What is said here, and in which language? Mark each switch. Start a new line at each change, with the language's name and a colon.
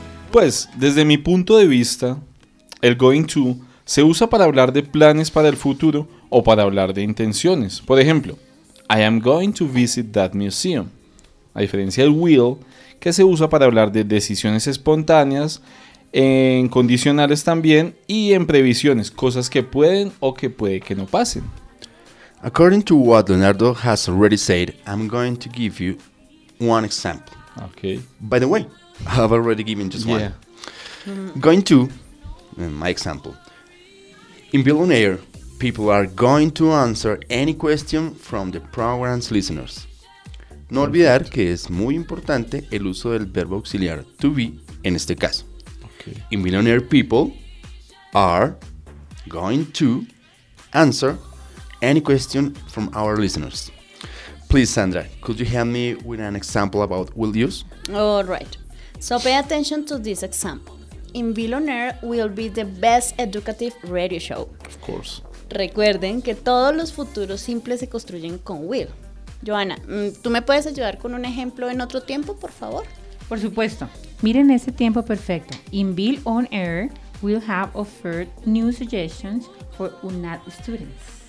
Spanish: Pues, desde mi punto de vista, el going to se usa para hablar de planes para el futuro o para hablar de intenciones. Por ejemplo,
English: I am going to visit that museum.
Spanish: A diferencia del will, que se usa para hablar de decisiones espontáneas, en condicionales también y en previsiones, cosas que pueden o que puede que no pasen.
English: According to what Leonardo has already said, I'm going to give you one example. Okay. By the way, I've already given just one. Going to, in my example, in Billionaire, people are going to answer any question from the program's listeners.
Spanish: No olvidar que es muy importante el uso del verbo auxiliar to be en este caso.
English: Okay. In Millionaire People are going to answer any question from our listeners. Please, Sandra, could you help me with an example about will use? All right. So pay attention to this example. In Millionaire will be the best educative radio show. Of course.
Spanish: Recuerden que todos los futuros simples se construyen con will. Joana, ¿tú me puedes ayudar con un ejemplo en otro tiempo, por favor? Por supuesto. Miren ese tiempo perfecto.
English: In Bill on Air, we'll have offered new suggestions for UNAD students.